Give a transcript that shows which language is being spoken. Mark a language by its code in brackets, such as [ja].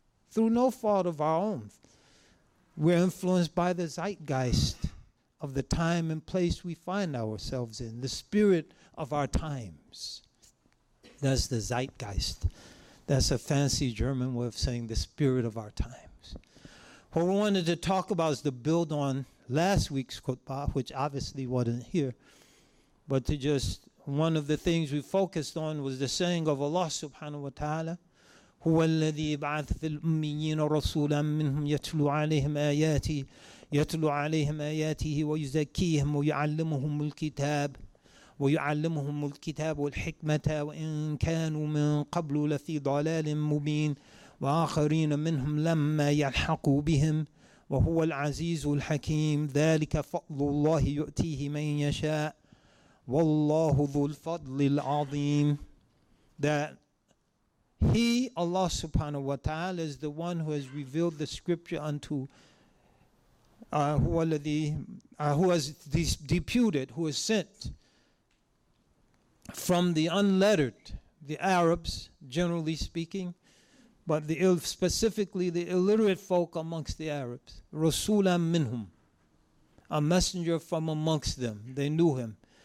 [en] Through no fault of our own. We're influenced by the zeitgeist of the time and place we find ourselves in. The spirit of our times. That's the zeitgeist. That's a fancy German way of saying the spirit of our time. What we wanted to talk about is to build on last week's khutbah, which obviously wasn't here, but to just, one of the things we focused on was the saying of Allah subhanahu wa ta'ala, [ar] هو الذي بعث في الأميين رسولا منهم يتلو عليهم آياتي يتلو عليهم آياته ويزكيهم ويعلمهم الكتاب ويعلمهم الكتاب والحكمة وإن كانوا من قبل لفي ضلال مبين وآخرين منهم لما يلحقوا بهم وهو العزيز الحكيم ذلك فضل الله يؤتيه من يشاء والله ذو الفضل العظيم. [en] That he, Allah subhanahu wa ta'ala, is the one who has revealed the scripture unto who has sent from the unlettered, the Arabs generally speaking, but specifically the illiterate folk amongst the Arabs, [ar] Rasulam minhum, [en] a messenger from amongst them. They knew him.